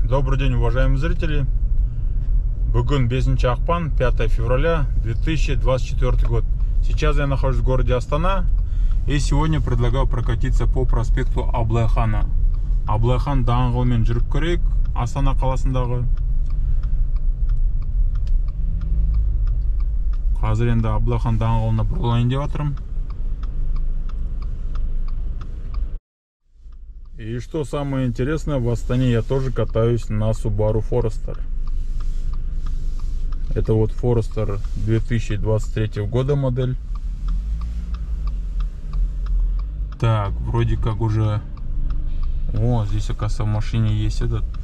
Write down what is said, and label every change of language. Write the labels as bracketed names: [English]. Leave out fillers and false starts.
[Russian] Добрый день, уважаемые зрители. [Kazakh] Бүгін 5 ақпан, [Russian] 5 февраля 2024 год. Сейчас я нахожусь в городе Астана и сегодня предлагаю прокатиться по проспекту Аблайхана. [Kazakh] Аблайхан даңғылымен жүріп көрейік, Астана қаласындағы. Қазір енді Аблайхан даңғылына бұрылайын деп отырмын. [Russian] И что самое интересное, в Астане я тоже катаюсь на Subaru Forester. Это вот Forester 2023 года модель. Так, вроде как уже... О, здесь, оказывается, в машине есть этот...